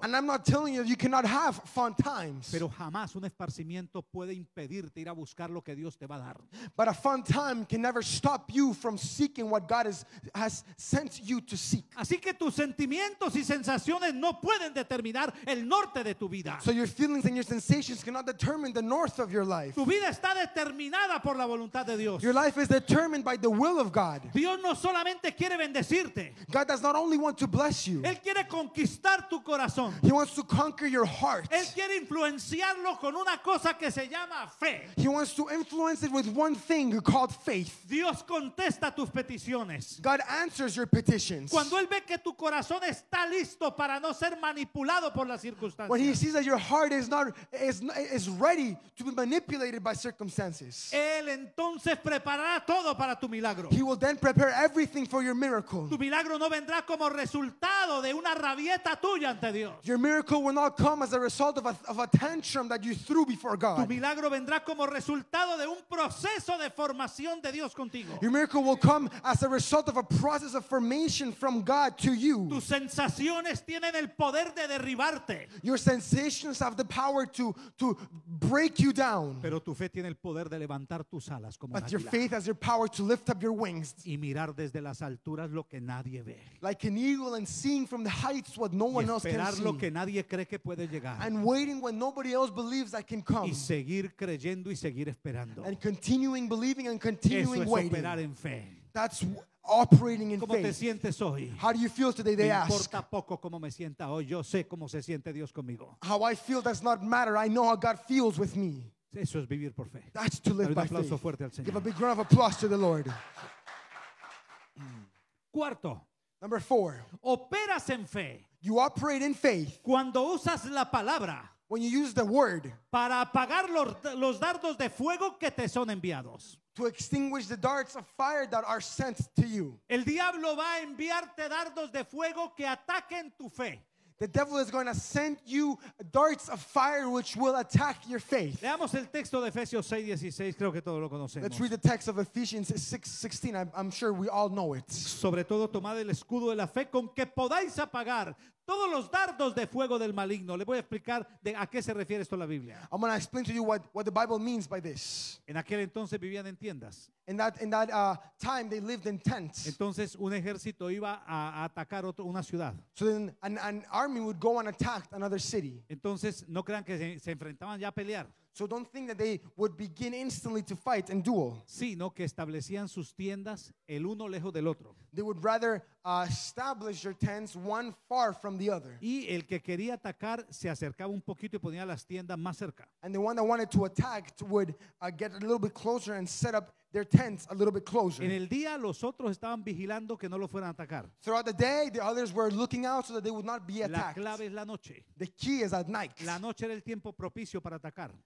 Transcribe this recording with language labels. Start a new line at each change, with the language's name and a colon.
English: And I'm not telling you cannot have fun times.
Spanish: Pero jamás un esparcimiento puede impedirte ir a buscar lo que Dios te va a dar.
English: But a fun time can never stop you from seeking what God has sent you to seek.
Spanish: Así que tus sentimientos y sensaciones no pueden determinar el norte de tu vida.
English: So your feelings and your sensations cannot determine the north of your life.
Spanish: Tu vida está determinada por la voluntad de Dios.
English: Your life is determined by the will of God.
Spanish: Dios no solamente quiere bendecirte.
English: God does not only want to bless you.
Spanish: Él quiere conquistar tu corazón.
English: He wants to conquer your heart.
Spanish: Él quiere influenciarlo con una cosa que se llama fe.
English: He wants to influence it with one thing called faith.
Spanish: Dios contesta tus peticiones.
English: God answers your petitions.
Spanish: Cuando él ve que tu corazón está listo para no ser manipulado por las circunstancias.
English: When he sees that your heart is ready to be manipulated by circumstances.
Spanish: Él entonces preparará todo para tu milagro.
English: He will then prepare everything for your miracle.
Spanish: Tu milagro no vendrá como resultado de una rabieta tuya ante Dios.
English: Your miracle miracle will not come as a result of a tantrum that you threw before God.
Spanish: Tu milagro vendrá como resultado de un proceso de formación de Dios contigo.
English: Your miracle will come as a result of a process of formation from God to you.
Spanish: Tus sensaciones tienen el poder de derribarte.
English: Your sensations have the power to break you down.
Spanish: Pero tu fe tiene el poder de levantar tus alas como
English: águila. But your faith has your power to lift up your wings.
Spanish: Y mirar desde las alturas lo que nadie ve.
English: Like an eagle and seeing from the heights what no one else can see.
Spanish: Lo que nadie cree que puede llegar.
English: And waiting when nobody else believes that can come.
Spanish: Y seguir creyendo y seguir esperando.
English: And continuing believing and continuing
Spanish: Eso es
English: waiting.
Spanish: Operar en fe.
English: That's operating in
Spanish: ¿Cómo
English: faith.
Spanish: Te sientes hoy?
English: How do you feel today? They
Spanish: me
English: ask.
Spanish: Importa poco cómo me sienta hoy. Yo sé cómo se siente Dios conmigo.
English: How I feel does not matter. I know how God feels with me.
Spanish: Eso es vivir por fe.
English: That's to live by
Spanish: aplauso
English: faith.
Spanish: Fuerte al Señor.
English: Give a big round of applause to the Lord.
Spanish: Cuarto.
English: Number four.
Spanish: Operas en fe.
English: You operate in faith.
Spanish: Cuando usas la palabra.
English: When you use the word.
Spanish: Para apagar los dardos de fuego que te son enviados.
English: To extinguish the darts of fire that are sent to you.
Spanish: El diablo va a enviarte dardos de fuego que ataquen tu fe.
English: The devil is going to send you darts of fire which will attack your faith.
Spanish: Leamos el texto de Efesios 6:16, creo que todos lo conocemos.
English: Let's read the text of Ephesians 6:16. I'm sure we all know it.
Spanish: Sobre todo tomad el escudo de la fe con que podáis apagar todos los dardos de fuego del maligno. Le voy a explicar de a qué se refiere esto en la Biblia.
English: I'm going to explain to you what the Bible means by this.
Spanish: En aquel entonces vivían en tiendas.
English: In that time they lived in tents.
Spanish: Entonces un ejército iba a atacar una ciudad.
English: So then an army would go and attack another city.
Spanish: Entonces no crean que se enfrentaban ya a pelear.
English: So don't think that they would begin instantly to fight and duel.
Spanish: Sino que establecían sus tiendas el uno lejos del otro.
English: They would rather establish their tents one far from the other.
Spanish: Y el que quería atacar se acercaba un poquito y ponía las tiendas más cerca.
English: And the one that wanted to attack would get a little bit closer and set up their tents a little bit closer.
Spanish: En el día los otros estaban vigilando que no lo fueran a atacar.
English: Throughout the day the others were looking out so that they would not be attacked.
Spanish: La clave es la noche.
English: The key is at night.
Spanish: La noche era el tiempo propicio para atacar.